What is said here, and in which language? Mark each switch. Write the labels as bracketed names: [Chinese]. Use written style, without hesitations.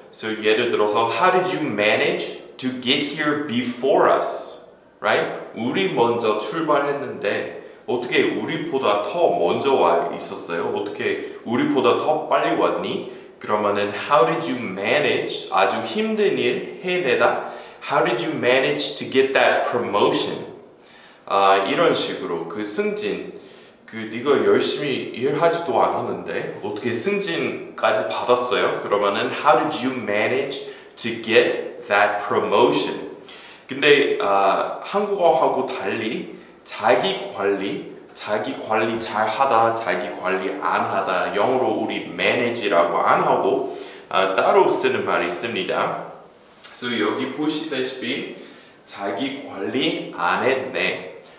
[English] So [Korean] 예를 들어서 [English] how did you manage to get here before us? Right? [Korean] 우리 먼저 출발했는데 어떻게 우리보다 더 먼저 와 있었어요? 어떻게 우리보다 더 빨리 왔니? 그러면은 [English] How did you manage? [Korean] 아주 힘든 일 해내다? [English] How did you manage to get that promotion? [Korean] 이런 식으로 그 승진, 그 네가 열심히 일하지도 않았는데 어떻게 승진까지 받았어요? 그러면은 [English] How did you manage to get that promotion? [Korean] 근데 한국어하고 달리 자기 관리 잘하다, 자기 관리 안하다, 영어로 우리 manage라고 안하고 따로 쓰는 말이 있습니다. So 여기 보시다시피 자기 관리 안했네.